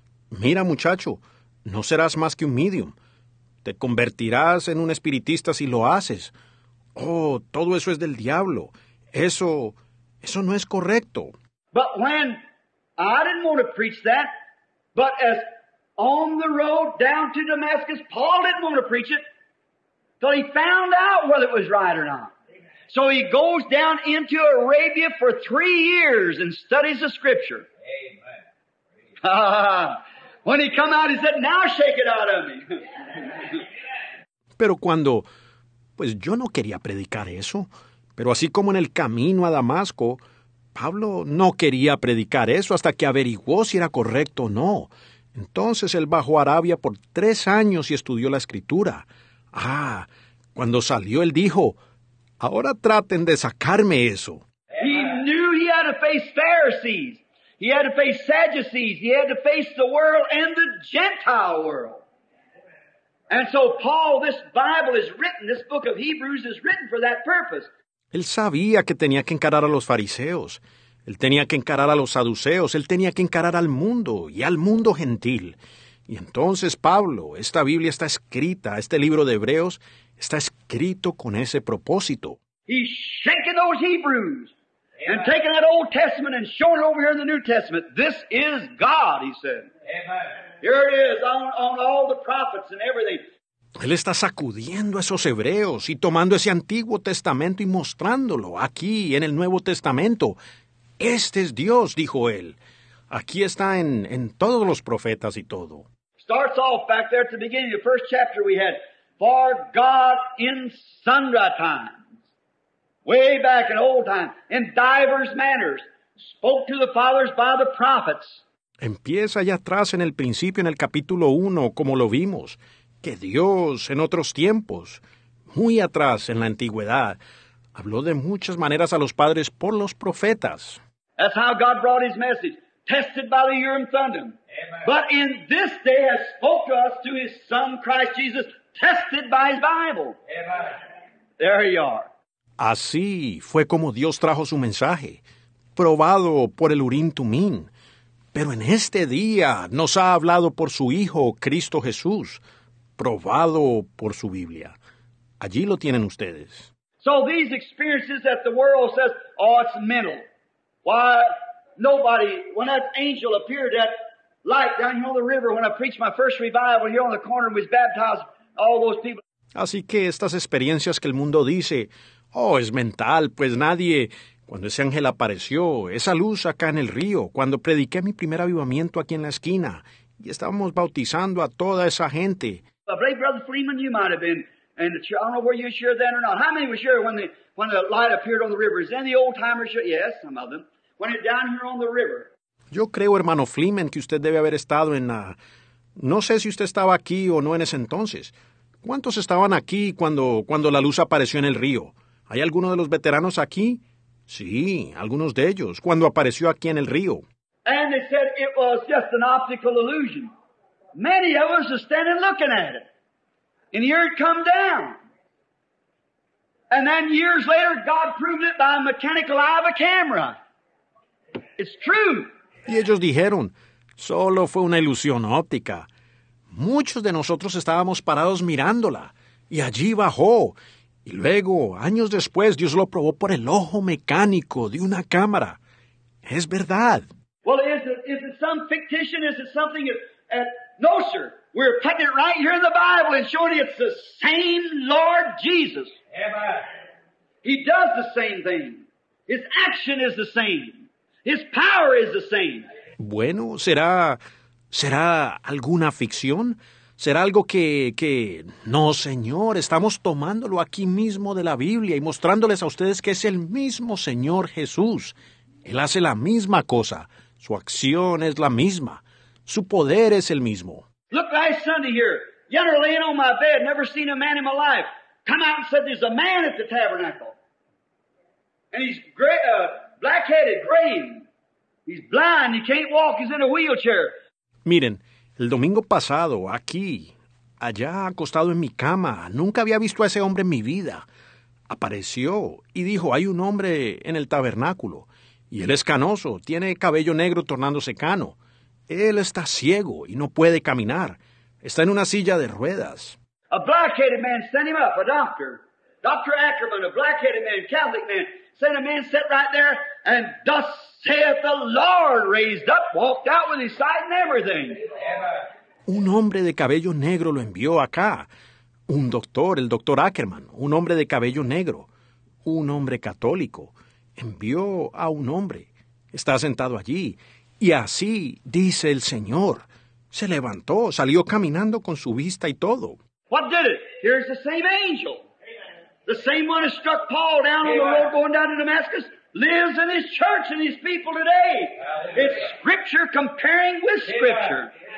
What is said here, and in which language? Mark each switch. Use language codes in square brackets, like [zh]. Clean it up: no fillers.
[es] Mira, muchacho, no serás más que un medium. Te convertirás en un espiritista si lo haces. Oh, todo eso es del diablo. Eso no es correcto. [en] But when I didn't want to preach that, but as on the road down to Damascus, Paul didn't want to preach it. So he found out whether it was right or not. So he goes down into Arabia for 3 years and studies the scripture. Amen. When he come out, he said, now shake it out of me. [es] Pero cuando, pues yo no quería predicar eso. Pero así como en el camino a Damasco, Pablo no quería predicar eso hasta que averiguó si era correcto o no. Entonces él bajó a Arabia por 3 años y estudió la escritura. Ah, cuando salió, él dijo, ahora traten de sacarme eso. [en] He knew he had to face Pharisees. He had to face Sadducees. He had to face the world and the Gentile world. And so Paul, this Bible is written, this book of Hebrews is written for that purpose. [es] Él sabía que tenía que encarar a los fariseos. Él tenía que encarar a los saduceos. Él tenía que encarar al mundo y al mundo gentil. Y entonces, Pablo, esta Biblia está escrita, este libro de Hebreos, está escrito con ese propósito. [en] He's shaking those Hebrews and taking that Old Testament and showing it over here in the New Testament. This is God, he said. Amen. Here it is on all the prophets and everything. [es] Él está sacudiendo a esos hebreos y tomando ese Antiguo Testamento y mostrándolo aquí en el Nuevo Testamento. Este es Dios, dijo él. Aquí está en todos los profetas y todo. [en] starts off back there at the beginning of the first chapter we had. For God in sundry times, way back in old time, in divers manners, spoke to the fathers by the prophets. [es] Empieza allá atrás en el principio, en el capítulo 1, como lo vimos, que Dios en otros tiempos, muy atrás en la antigüedad, habló de muchas maneras a los padres por los profetas. [en] That's how God brought his message, tested by the Urim Thummim. Amen. But in this day has spoke to us through his son Christ Jesus, tested by his Bible. Amen. There you are. [es] Así fue como Dios trajo su mensaje, probado por el Urim Thummim. Pero en este día nos ha hablado por su Hijo, Cristo Jesús, probado por su Biblia. Allí lo tienen ustedes. [en] So these experiences that the world says, oh, it's mental. Why, nobody, when that angel appeared, that light down here on the river, when I preached my first revival here on the corner and was baptized, all those people. [es] Así que estas experiencias que el mundo dice, oh, es mental, pues nadie, cuando ese ángel apareció, esa luz acá en el río, cuando prediqué mi primer avivamiento aquí en la esquina, y estábamos bautizando a toda esa gente. [en] I believe Brother Freeman, you might have been. And I don't know were you sure then or not. How many were sure when the light appeared on the river? Is any old timers sure? Yes, some of them. When it down here on the river. [es] Yo creo, hermano Fleeman, que usted debe haber estado en la. No sé si usted estaba aquí o no en ese entonces. ¿Cuántos estaban aquí cuando la luz apareció en el río? ¿Hay alguno de los veteranos aquí? Sí, algunos de ellos. Cuando apareció aquí en el río. [en] And they said it was just an optical illusion. Many of us are standing looking at it. And here it come down. And then years later, God proved it by a mechanical eye of a camera. It's true. [es] Y ellos dijeron, solo fue una ilusión óptica. Muchos de nosotros estábamos parados mirándola. Y allí bajó. Y luego, años después, Dios lo probó por el ojo mecánico de una cámara. Es verdad. [en] Well, is it some fictitious? Is it something that... No, sir. We're putting it right here in the Bible and showing it's the same Lord Jesus. Amen. He does the same thing. His action is the same. His power is the same. [es] Bueno, ¿será alguna ficción? ¿Será algo que... No, Señor, estamos tomándolo aquí mismo de la Biblia y mostrándoles a ustedes que es el mismo Señor Jesús. Él hace la misma cosa. Su acción es la misma. Su poder es el mismo. [en] Look last Sunday here. Yonder laying on my bed, never seen a man in my life. Come out and said there's a man at the tabernacle. And he's gray, black-headed, gray. He's blind, he can't walk, he's in a wheelchair. [es] Miren, el domingo pasado, aquí, allá acostado en mi cama, nunca había visto a ese hombre en mi vida. Apareció y dijo, hay un hombre en el tabernáculo. Y él es canoso, tiene cabello negro tornándose cano. Él está ciego y no puede caminar. Está en una silla de ruedas. [en] A black-headed man, send him up, a doctor. Dr. Ackerman, a black-headed man, Catholic man, send a man, sit right there, and thus saith the Lord, raised up, walked out with his sight and everything. [es] Un hombre de cabello negro lo envió acá. Un doctor, el doctor Ackerman, un hombre de cabello negro, un hombre católico, envió a un hombre. Está sentado allí. Y así, dice el Señor, se levantó, salió caminando con su vista y todo. [en] What did it? Here's the same angel. The same one who struck Paul down on the road going down to Damascus lives in his church and his people today. It's scripture comparing with scripture.